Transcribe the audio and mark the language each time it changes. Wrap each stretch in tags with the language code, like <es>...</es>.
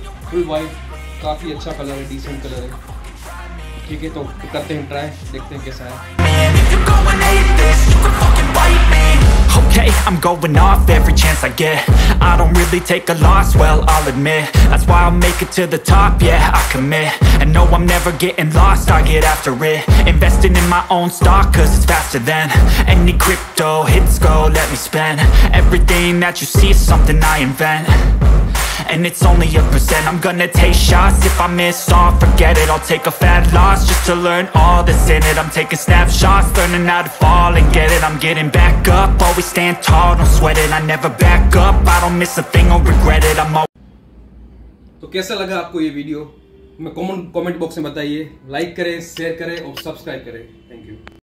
<hi>Full white, काफी अच्छा colour है, डिसेंट कलर है। ठीक है, तो करते हैं ट्राई, देखते हैं कैसा है।</hi> <en>Okay, I'm going off every chance I get. I don't really take a loss, well, I'll admit. That's why I'll make it to the top, yeah, I commit. And no, I'm never getting lost, I get after it. Investing in my own stock, cause it's faster than any crypto hits go, let me spend. Everything that you see is something I invent. And it's only 1%. I'm gonna take shots. If I miss all, forget it. I'll take a fat loss just to learn all that's in it. I'm taking snapshots, learning how to fall and get it. I'm getting back up, always stand tall, don't sweat it. I never back up, I don't miss a thing, I'll regret it. I'm all.</en> <hi>तो कैसा लगा आपको ये video? मैं comment box में बताइए, like करें, share करें और सब्सक्राइब करें। Thank you.</hi>